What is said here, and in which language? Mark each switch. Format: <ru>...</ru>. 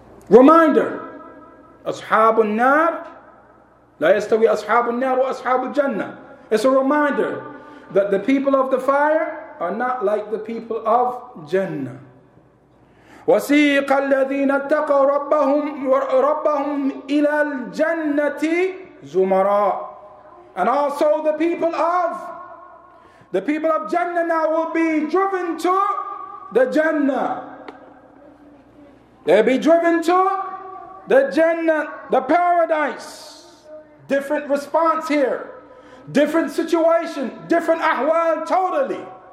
<en>Reminder,</en> <ar>أصحاب النار لا يستوي أصحاب النار وأصحاب الجنة.</ar> <en>It's a reminder that the people of the fire are not like the people of Jannah.</en> <ar>وسيق الذين اتقوا ربهم إلى الجنة زمراء.</ar> <en>And also the people of Jannah now will be driven to the Jannah. They'll be driven to the Jannah, the paradise. Different response here, different situation, different ahwal totally.</en>